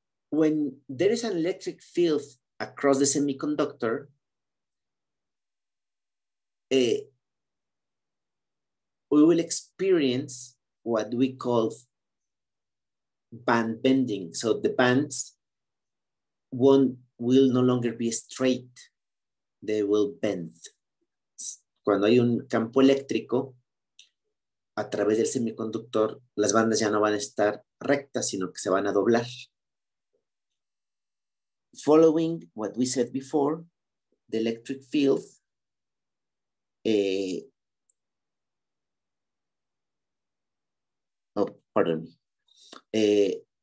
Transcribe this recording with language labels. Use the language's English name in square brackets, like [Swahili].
[English] When there is an electric field across the semiconductor, we will experience what we call band bending. So the bands will no longer be straight. They will bend. [Spanish] Cuando hay un campo eléctrico a través del semiconductor, las bandas ya no van a estar rectas, sino que se van a doblar. [English] Following what we said before, the electric field oh, pardon me.